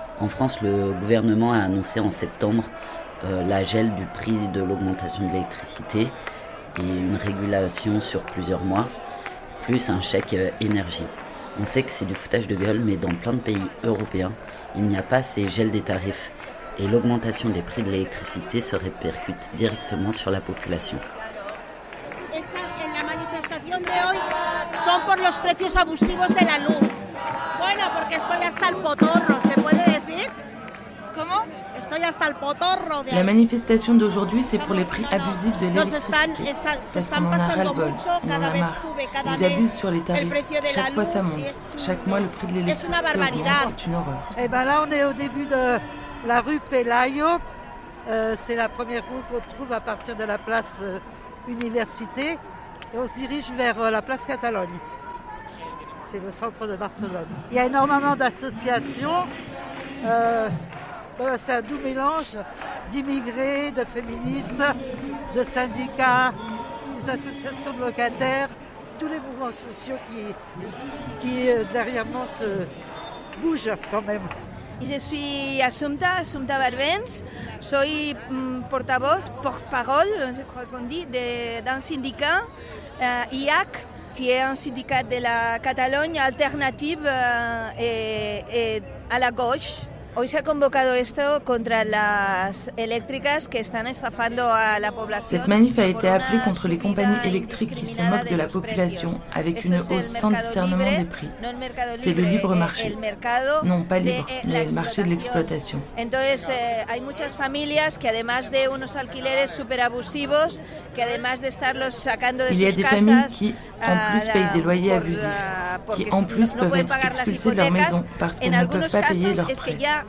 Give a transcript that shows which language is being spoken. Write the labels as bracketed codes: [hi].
[fr] En France, le gouvernement a annoncé en septembre la gel du prix de l'augmentation de l'électricité et une régulation sur plusieurs mois, plus un chèque énergie. On sait que c'est du foutage de gueule, mais dans plein de pays européens, il n'y a pas ces gels des tarifs et l'augmentation des prix de l'électricité se répercute directement sur la population. [es] La manifestación de hoy son por los precios abusivos de la luz. Bueno, porque estoy hasta el potorro, ¿se puede decir? ¿Cómo? Estoy hasta el potorro de... La manifestación de [fr] aujourd'hui, c'est pour les prix abusifs de l'électricité. [es] Se están pasando mucho cada vez. [fr] Ils abusent sur les tarifs. Chaque fois ça monte. Chaque mois le prix de l'électricité augmente. C'est une horreur. Et ben là on est au début de la rue Pelayo. C'est la première rue qu'on trouve à partir de la place Université. Et on se dirige vers la place Catalogne. C'est le centre de Barcelone. Il y a énormément d'associations. C'est un doux mélange d'immigrés, de féministes, de syndicats, des associations de locataires, tous les mouvements sociaux qui derrière moi se bougent quand même. Je suis Assumpta Barbens, [es] soy portavoz, [fr] porte-parole, je crois qu'on dit, d'un syndicat, IAC, qui est un syndicat de la Catalogne alternative et à la gauche. [es] Hoy se ha convocado esto [fr] contre les [es] eléctricas [fr] qui [es] están estafando [fr] à la population. Cette manif a été appelée contre les compagnies électriques qui se moquent de la population avec une hausse sans discernement des prix. C'est le libre marché. Non, pas libre, mais le marché de l'exploitation. [es] Entonces, hay muchas familias que además de unos alquileres super abusivos, que además de estarlos sacando de sus casas, [fr] il y a des familles qui en plus payent des loyers abusifs, qui en plus peuvent être expulsées de leur maison parce qu'elles ne peuvent pas payer leurs prêts.